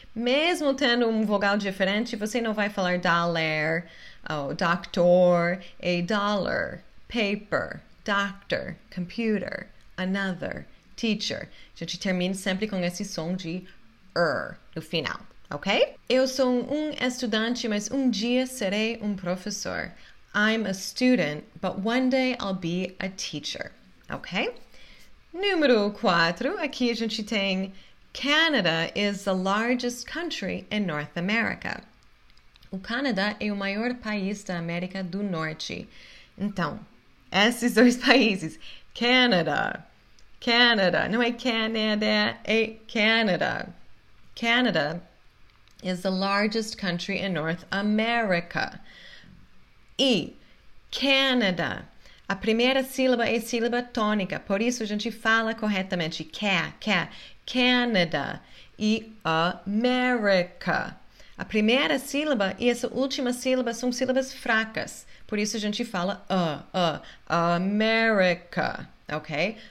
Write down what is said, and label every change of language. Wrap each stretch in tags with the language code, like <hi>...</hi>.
<pt>Mesmo tendo um vogal diferente, você não vai falar dollar, oh, doctor, a dollar, paper, doctor, computer, another. Teacher. A gente termina sempre com esse som de no final, ok? Eu sou um estudante, mas um dia serei um professor.</pt> <en>I'm a student, but one day I'll be a teacher, ok?</en> <pt>Número 4, aqui a gente tem</pt> <en>Canada is the largest country in North America.</en> <pt>O Canadá é o maior país da América do Norte. Então, esses dois países, Canadá. Canada, não é Canadá, é Canada.</pt> <en>Canada is the largest country in North America.</en> <pt>E Canada, a primeira sílaba é sílaba tônica, por isso a gente fala corretamente ca, Canada e America. A primeira sílaba e essa última sílaba são sílabas fracas, por isso a gente fala America. Ok?</pt>